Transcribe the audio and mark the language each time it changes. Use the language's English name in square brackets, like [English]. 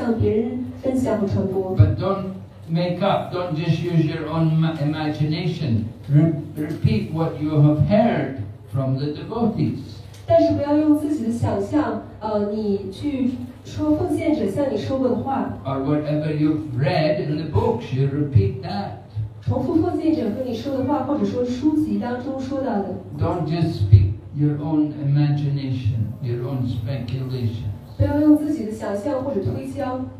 [English] But don't make up, don't just use your own imagination. Repeat what you have heard from the devotees. [Chinese] 但是不要用自己的想象，你去说奉献者向你说过的话。 [English] Or whatever you've read in the books, you repeat that. [Chinese] 重复奉献者和你说的话，或者说书籍当中说到的。 [English] Don't just speak your own imagination, your own speculation. [Chinese] 不要用自己的想象或者推敲。